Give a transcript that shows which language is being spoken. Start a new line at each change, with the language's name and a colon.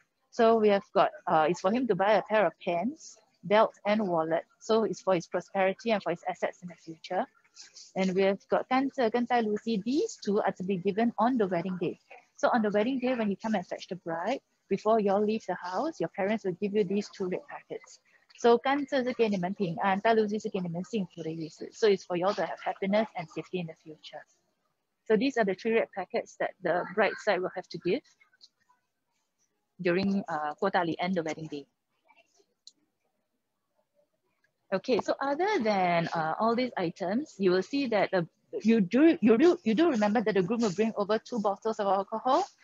English: So we have got, it's for him to buy a pair of pants, belt, and wallet. So it's for his prosperity and for his assets in the future. And we have got
Chinese: 甘蔗跟戴露西,
English: these two are to be given on the wedding day. So on the wedding day, when you come and fetch the bride, before you all leave the house, your parents will give you these two red packets.
Chinese: So 甘蔗是给你们平安，戴露西是给你们幸福的意思.
English: So it's for you all to have happiness and safety in the future. So these are the three red packets that the bride side will have to give during 过大礼 and the wedding day. Okay, so other than all these items, you will see that you do remember that the groom will bring over two bottles of alcohol.